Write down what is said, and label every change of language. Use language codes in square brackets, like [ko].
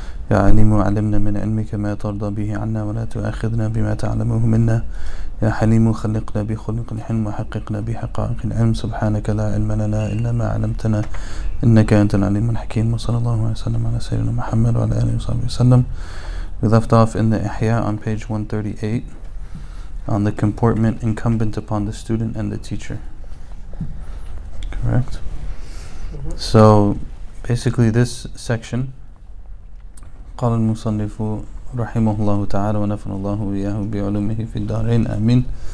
[ar] يا عليم وعلمنا من علمك ما ترضى به عنا ولا تؤاخذنا بما تعلمه منا يا حليم خلقنا بخلق الحلم وحققنا بحقائق العلم سبحانك لا علم لنا إلا ما علمتنا إنك أنت العليم الحكيم وصلى الله وسلم على سيدنا محمد وعلى آله وصحبه وسلم. [en] We left off in the Ihya on page 138 on the comportment incumbent upon the student and the teacher. Correct? So basically this section, [ar] قال المصنف رحمه الله تعالى ونفر الله وياه بعلومه في الدارين آمين.